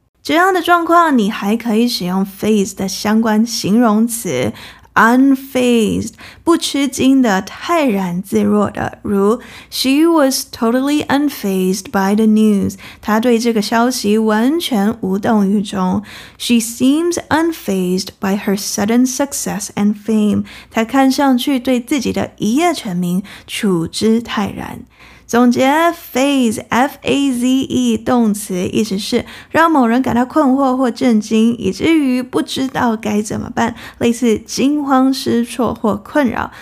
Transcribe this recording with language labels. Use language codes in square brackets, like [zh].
[zh] 这样的状况，你还可以使用 phase 的相关形容词Unfazed, 不吃惊的，泰然自若的，如 [en] She was totally unfazed by the news. [zh] 她对这个消息完全无动于衷。 [en] She seems unfazed by her sudden success and fame. [zh] 她看上去对自己的一夜成名处之泰然。总结 phase, F-A-Z-E, 动词意思是让某人感到困惑或震惊，以至于不知道该怎么办，类似惊慌失措或困扰。